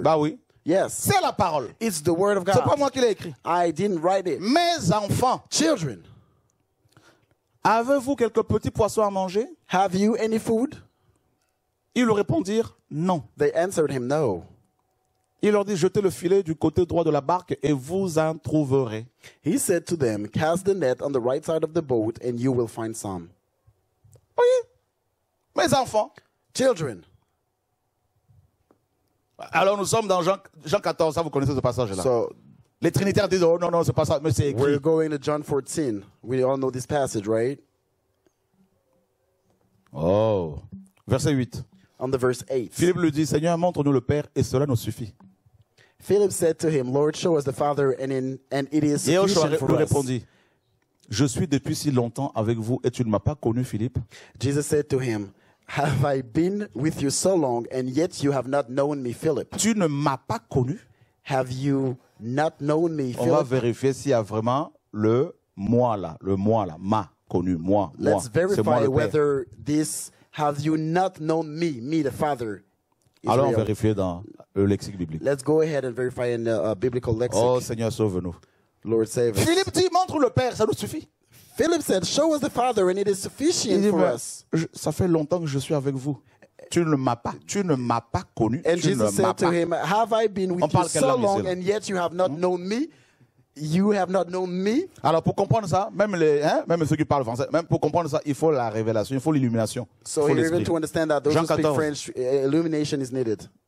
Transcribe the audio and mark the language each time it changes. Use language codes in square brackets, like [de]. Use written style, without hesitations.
[fr] Bah oui. [en] Yes. [fr] C'est la parole. [en] It's the word of God. [fr] C'est pas moi qui l'ai écrit. [en] I didn't write it. [fr] Mes enfants. [en] Children. [fr] Avez-vous quelques petits poissons à manger? [en] Have you any food? [fr] Ils lui répondirent non. [en] They answered him no. [fr] Il leur dit, jetez le filet du côté droit de la barque et vous en trouverez. [en] He said to them, cast the net on the right side of the boat and you will find some. [fr] Oui. Mes enfants. [en] Children. [fr] Alors nous sommes dans Jean 14, ça vous connaissez ce passage là. [en] So, [fr] les trinitaires disent oh non c'est pas ça mais c'est écrit. [en] We're going to John 14. We all know this passage, right? [fr] Oh, verset 8. [en] On the verse 8. [fr] Philippe lui dit Seigneur montre-nous le Père et cela nous suffit. [en] Philip said to him Lord show us the Father and it is sufficient for us. [fr] Et Yeshua lui répondit je suis depuis si longtemps avec vous et tu ne m'as pas connu Philippe. [en] Jesus said to him have I been with you so long and yet you have not known me, Philip? [fr] Tu ne m'as pas connu? [en] Have you not known me, Philip? [fr] On va vérifier s'il y a vraiment le moi là, ma connu, moi. [en] Let's [fr] moi. [en] Verify [fr] c'est moi, [en] whether this have you not known me, the Father. [fr] Allons vérifier dans le lexique biblique. [en] Let's go ahead and verify in a biblical lexic. [fr] Oh Seigneur, sauve-nous. [en] Lord save us. [fr] Philippe dit, montre le Père, ça nous suffit. [en] Philip said, show us the Father and it is sufficient [fr] dit, [en] for us. [fr] Ça fait longtemps que je suis avec vous. Tu ne m'as pas, tu ne m'as pas connu. [en] And Jesus said to him, have I been with you so long and yet you have not known me? You have not known me? [fr] Alors pour comprendre ça, même ceux qui parlent français, même pour comprendre ça, il faut la révélation, il faut l'illumination. [en] So [fr] faut [en] even to understand that those who speak French, illumination is needed.